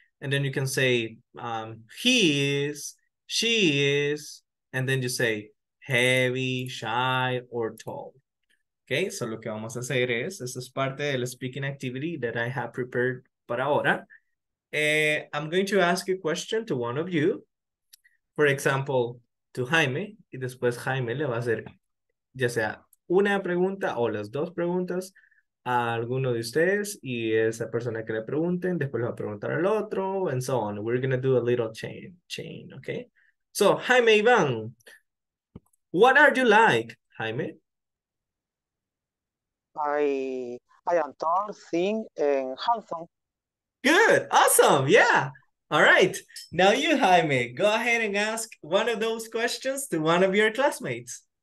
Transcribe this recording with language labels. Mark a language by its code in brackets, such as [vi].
[en] And then you can say, he is, she is, and then you say, heavy, shy, or tall. Okay, so [es] lo que vamos a hacer es, [en] this is [es] parte del [en] speaking activity that I have prepared [es] para ahora. [en] I'm going to ask a question to one of you. For example, to Jaime, [es] y después Jaime le va a hacer ya sea una pregunta o las dos preguntas a alguno de ustedes, y esa persona que le pregunten, después le va a preguntar al otro, [en] and so on. We're going to do a little chain, okay? So, Jaime Iván, what are you like, Jaime? I am tall, thin, and handsome. Good, awesome, yeah. All right, now you, Jaime, go ahead and ask one of those questions to one of your classmates.